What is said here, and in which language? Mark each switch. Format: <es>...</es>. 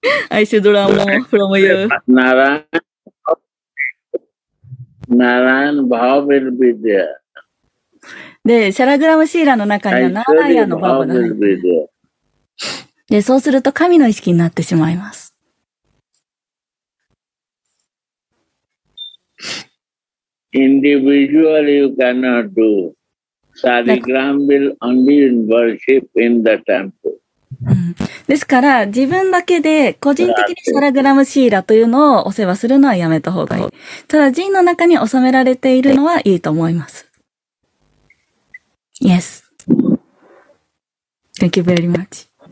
<en>I should learn more from you. Narayan Bhav will be there.</en> <ja>で、シャラグラムシーラの中にはナーラヤのバブが入っている。で、そうすると神の意識になってしまいます。</ja> <en>Individually you cannot do. Sarigram will only worship in the temple.</en> <ja>ですから、自分だけで個人的にシャラグラムシーラというのをお世話するのはやめた方がいい。ただ、人の中に収められているのはいいと思います。</ja> <en>Yes. Thank you very much.</en>